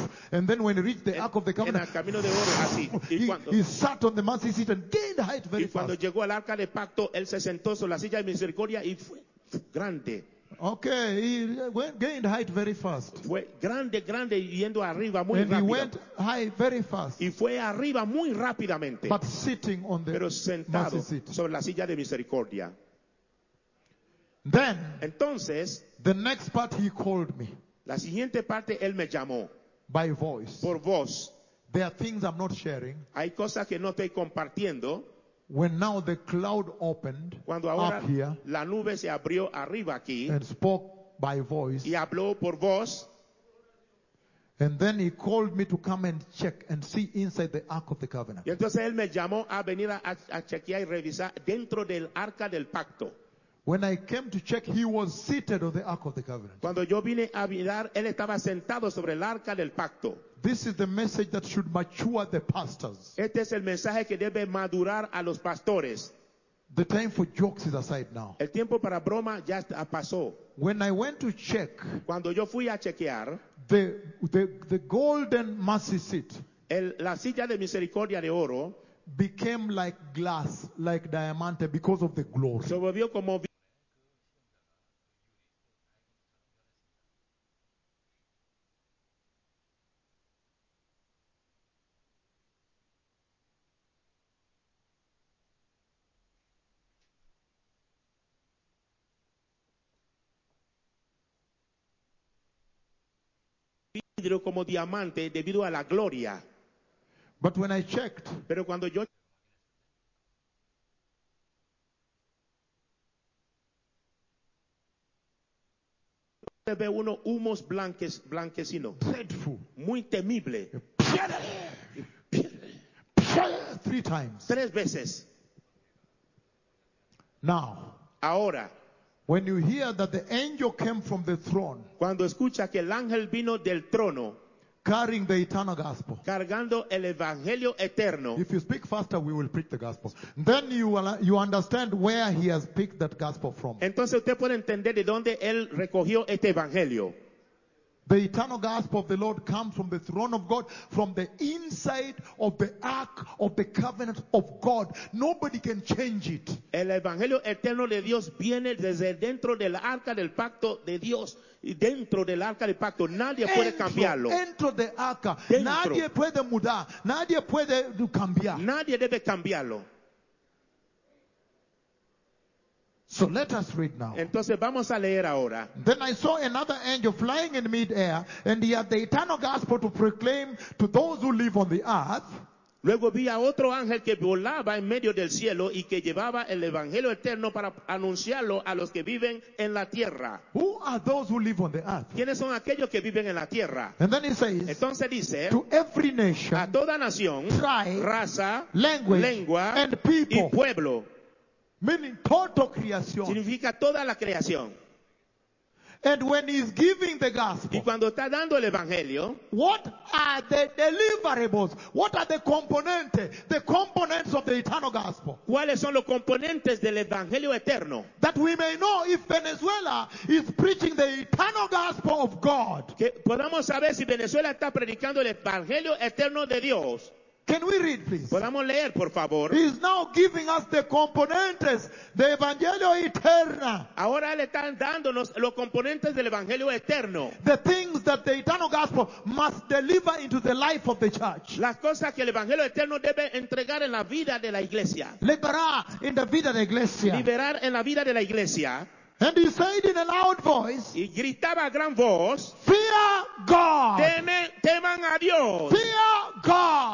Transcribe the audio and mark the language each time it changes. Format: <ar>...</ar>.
<en>And then when he reached the ark of the covenant,</en> <es>en el camino de oro, así.</es> <en>He sat on the mercy seat and gained height very fast.</en> <es>Y cuando llegó al arca de pacto, él se sentó sobre la silla de misericordia y fue grande.</es> <en>Okay, he went, gained height very fast.</en> <es>Fue grande, grande, yendo arriba muy</es> <en>and</en> <es>rápido.</es> <en>He went high very fast.</en> <es>Y fue arriba muy rápidamente.</es> <en>But sitting on the</en> <es>pero sentado</es> <en>mercy seat.</en> <es>Sobre la silla de misericordia.</es> <en>Then,</en> <es>entonces,</es> <en>the next part he called me.</en> <es>La siguiente parte él me llamó.</es> <en>By voice.</en> <es>Por voz.</es> <en>There are things I'm not sharing.</en> <es>Hay cosas que no estoy compartiendo.</es> <en>When now the cloud opened</en> <es>cuando ahora</es> <en>up here,</en> <es>la nube se abrió arriba aquí,</es> <en>and spoke by voice,</en> <es>y habló por voz,</es> <en>and then he called me to come and check and see inside the Ark of the Covenant.</en> <es>Y entonces él me llamó a venir a chequear y revisar dentro del Arca del Pacto.</es> <en>When I came to check, he was seated on the Ark of the Covenant.</en> <es>Cuando yo vine a mirar, él estaba sentado sobre el Arca del Pacto.</es> <en>This is the message that should mature the pastors.</en> <es>Este es el mensaje que debe madurar a los pastores.</es> <en>The time for jokes is aside now.</en> <es>El tiempo para broma ya pasó.</es> <en>When I went to check,</en> <es>cuando yo fui a chequear,</es> <en>the golden mercy seat,</en> <es>la silla de misericordia de oro,</es> <en>became like glass, like diamante, because of the glory.</en> <es>Se volvió como vidrio como diamante debido a la gloria.</es> <en>But when I checked,</en> <es>pero cuando yo ve unos humos blanquecinos,</es> <en>dreadful,</en> <es>muy temible,</es> <en>three times,</en> <es>tres veces.</es> <en>Now,</en> <es>ahora,</es> <en>when you hear that the angel came from the throne,</en> <es>cuando escucha que el ángel vino del trono,</es> <en>carrying the eternal gospel,</en> <es>cargando el evangelio eterno.</es> <en>If you speak faster, we will preach the gospel. Then you understand where he has picked that gospel from.</en> <es>Entonces usted puede entender de dónde él recogió este evangelio.</es> <en>The eternal gospel of the Lord comes from the throne of God, from the inside of the ark of the covenant of God. Nobody can change it.</en> <es>El evangelio eterno de Dios viene desde dentro del arca del pacto de Dios. Y dentro del arca del pacto nadie puede cambiarlo. Dentro del arca nadie puede mudar, nadie puede cambiar. Nadie debe cambiarlo.</es> <en>So let us read now.</en> <es>Entonces vamos a leer ahora.</es> <en>Then I saw another angel flying in mid air, and he had the eternal gospel to proclaim to those who live on the earth.</en> <es>Luego vi a otro ángel que volaba en medio del cielo y que llevaba el evangelio eterno para anunciarlo a los que viven en la tierra.</es> <en>Who are those who live on the earth?</en> <es>¿Quiénes son aquellos que viven en la tierra?</es> <en>And then he says,</en> <es>entonces dice,</es> <en>to every nation,</en> <es>a toda nación,</es> <en>tribe,</en> <es>raza,</es> <en>language,</en> <es>lengua,</es> <en>and people,</en> <es>y pueblo.</es> <en>Meaning total creation.</en> <es>Significa toda la creación.</es> <en>And when he's giving the gospel,</en> <es>y cuando está dando el evangelio,</es> <en>what are the deliverables? What are the components? The components of the eternal gospel.</en> <es>¿Cuáles son los componentes del evangelio eterno?</es> <en>That we may know if Venezuela is preaching the eternal gospel of God.</en> <es>Que podamos saber si Venezuela está predicando el evangelio eterno de Dios.</es> <en>Can we read, please?</en> <es>Podamos leer, por favor.</es> <en>He is now giving us the components, the</en> <es>evangelio eterna. Ahora le están dándonos los componentes del evangelio eterno.</es> <en>The things that the eternal gospel must deliver into the life of the church.</en> <es>Las cosas que el evangelio eterno debe entregar en la vida de la iglesia. Liberar</es> <en>in the</en> <es>vida de iglesia. Liberar en la vida de la iglesia.</es> <en>And he said in a loud voice,</en> <es>y gritaba a gran voz,</es> <en>fear God.</en> <es>Teman a Dios.</es> <en>Fear God.</en>